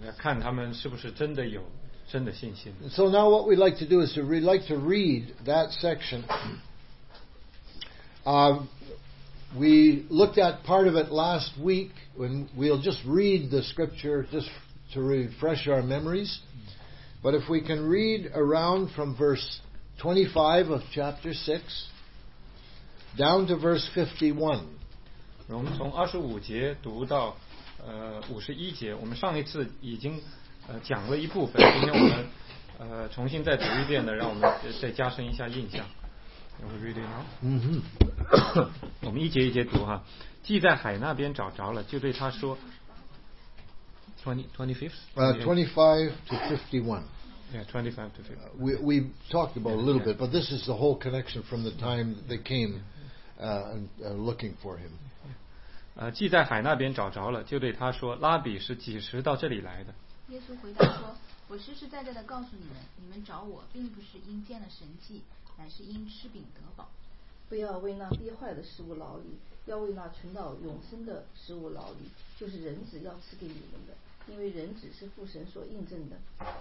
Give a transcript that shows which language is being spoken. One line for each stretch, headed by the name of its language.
Chinese: 看他们是不是真的有真的信心。
English: So now what we'd like to do is to we'd like to read that section. We looked at part of it last week, when we'll just read the scripture just to refresh our memories. But if we can read around from verse 25 of chapter 6 down to verse 51.
Chinese: 我们从二十五节读到五十一节，我们上一次已经讲了一部分，今天我们重新再读一遍的，让我们再加深一下印象。我们一节一节读哈。既在海那边找着了，就对他说
English: 25 to 51 we talked about a little bit, but this is the whole connection from the time they came looking for him.
Chinese: 既在海那边找着了，就对他说，拉比是几时到这里来的？耶稣回答说，我实实在在的告诉你们，你们找我并不是因见了神迹，乃是因吃饼得饱。不要为那跌坏的食物劳力，要为那存到永生的食物劳力，就是人子要赐给你们的，因为人子是父神所印证的。